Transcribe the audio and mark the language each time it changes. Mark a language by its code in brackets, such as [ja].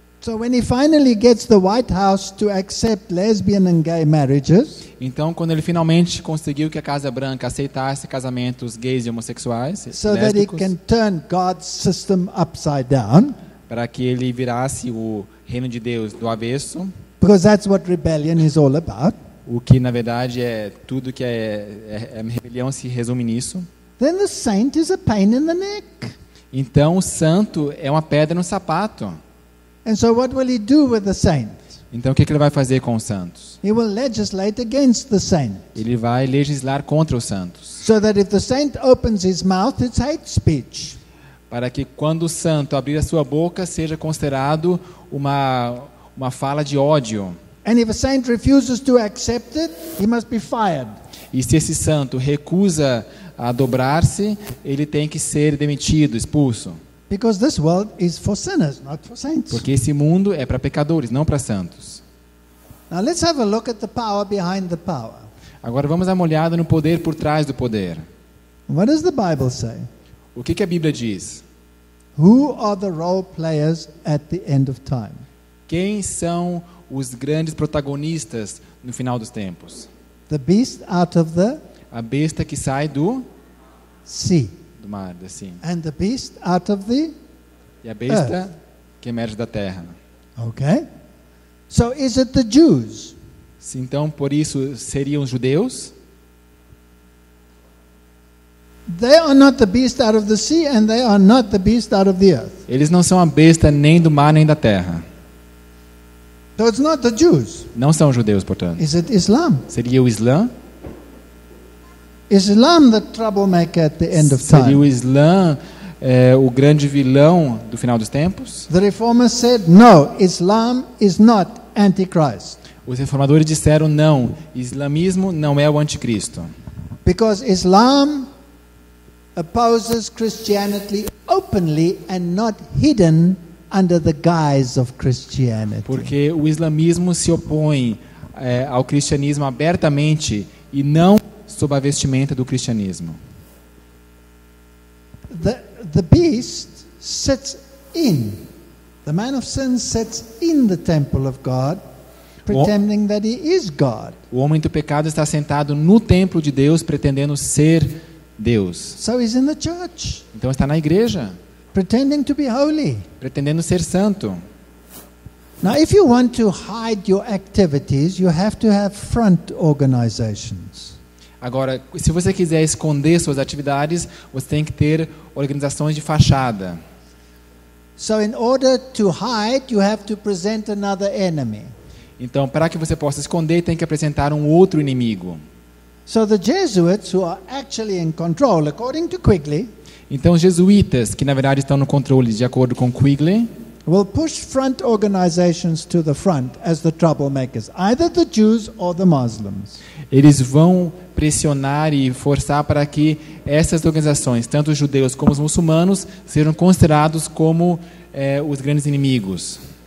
[en] So when he finally gets the White House to accept lesbian and gay marriages, [pt] então quando ele finalmente conseguiu que a Casa Branca aceitasse casamentos gays e homossexuais, so lésbicos, [en] that he can turn God's system upside down, [pt] para que ele virasse o reino de Deus do avesso, [en] because that's what rebellion is all about. [pt] O que na verdade é tudo que é rebelião se resume nisso. [en] Then the saint is a pain in the neck. [pt] Então o santo é uma pedra no sapato. [en] And so what will he do with the saint? [pt] Então o que ele vai fazer com os santos? [en] He will legislate against the saint. [pt] Ele vai legislar contra os santos. [en] So that if the saint opens his mouth, it's hate speech. [pt] Para que quando o santo abrir a sua boca seja considerado uma fala de ódio. [en] And if a saint refuses to accept it, he must be fired. [pt] E se esse santo recusa a dobrar-se, ele tem que ser demitido, expulso. [en] Because this world is for sinners, not for saints. [pt] Porque esse mundo é para pecadores, não para santos. [en] Now let's have a look at the power behind the power. [pt] Agora vamos dar uma olhada no poder por trás do poder. [en] What does the Bible say? [pt] O que a Bíblia diz? [en] Who are the role players at the end of time? [pt] Quem são os grandes protagonistas no final dos tempos? [en] The beast out of the [pt] A besta que sai do [en] sea. [pt] Do mar, do sea. [en] And the beast out of the [pt] E a besta earth. Que emerge da terra. [en] Okay. So is it the Jews? [pt] Se então por isso seriam os judeus? [en] They are not the beast out of the sea and they are not the beast out of the earth. [pt] Eles não são a besta nem do mar nem da terra. [en] So it's not the Jews. [pt] Não são judeus, portanto. [en] Is it Islam? [pt] Seria o Islã? [en] Islam the troublemaker at the end of time. [pt] Seria o Islã o grande vilão do final dos tempos? [en] The reformers said no, Islam is not antichrist. [pt] Os reformadores disseram não, islamismo não é o anticristo. [en] Because Islam opposes Christianity openly and not hidden. Under the guise of Christianity. [pt] Porque o islamismo se opõe ao cristianismo abertamente e não sob a vestimenta do cristianismo. [en] The beast sits in. The man of sin sits in the temple of God, pretending that he is God. [pt] O homem do pecado está sentado no templo de Deus pretendendo ser Deus. [en] So he's in the church. [pt] Então está na igreja. [en] Pretending to be holy. [pt] Pretendendo ser santo. [en] Now, if you want to hide your activities, you have to have front organizations. [pt] Agora, se você quiser esconder suas atividades, você tem que ter organizações de fachada. [en] So, in order to hide, you have to present another enemy. [pt] Então, para que você possa esconder, tem que apresentar um outro inimigo. [en] So, the Jesuits, who are actually in control, according to Quigley. [pt] Então os jesuítas, que na verdade estão no controle de acordo com Quigley, [en] will push front organizations to the front as the troublemakers, either the Jews or the Muslims. [pt] Eles vão pressionar e forçar para que essas organizações, tanto os judeus como os muçulmanos, sejam considerados como os grandes inimigos.